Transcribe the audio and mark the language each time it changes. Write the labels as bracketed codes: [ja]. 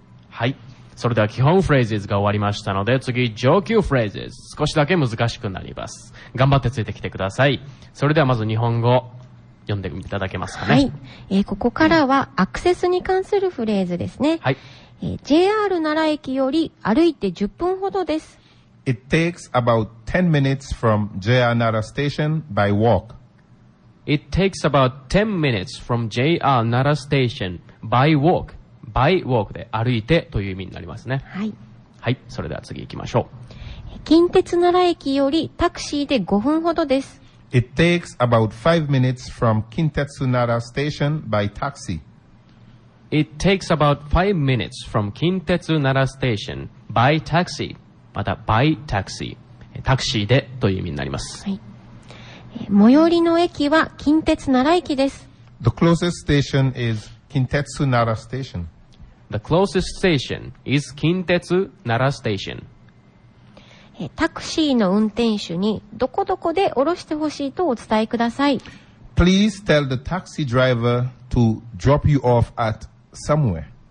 [ja] はい、それでは基本フレーズが終わりましたので、次上級フレーズ、少しだけ難しくなります。頑張ってついてきてください。それではまず日本語読んでいただけますかね。はい、ここからはアクセスに関するフレーズですね。はい、 JR 奈良駅より歩いて10分ほどです。 [en] It takes about 10 minutes from JR 奈良 station by walk. It takes about 10 minutes from JR 奈良 station by walk [ja] バイウォークで歩いてという意味になりますね。はい。はい、それでは次行きましょう。近鉄奈良駅よりタクシーで5分ほどです。 [en] It takes about 5 minutes from 近鉄奈良 station by taxi. It takes about 5 minutes from 近鉄奈良 station by taxi. [ja] また、 [en] by taxi。 [ja] タクシーでという意味になります。はい。最寄りの駅は近鉄奈良駅です。 [en] The closest station is Kintetsu Nara Station. The closest station is Kintetsu Nara Station. [ja] タクシーの運転手にどこどこで降ろしてほしいとお伝えください。 [en] Please tell the taxi driver to drop you off at somewhere.